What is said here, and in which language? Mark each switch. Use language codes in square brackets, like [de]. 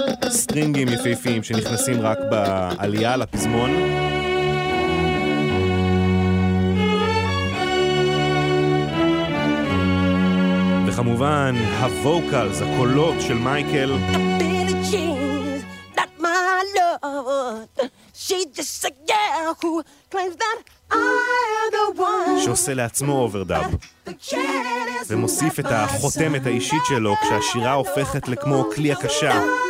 [he] סטייל סטרינגים יפהפיים שנכנסים רק בעלייה לפזמון. וכמובן, הווקלס, הקולות של מייקל. [en] בילי ג'ין, not my lord. She's just a girl who claims that I am the one. [he] שעושה לעצמו אוברדאב. ומוסיף את החותמת האישית שלו כשהשירה הופכת לכמו כלי הקשה.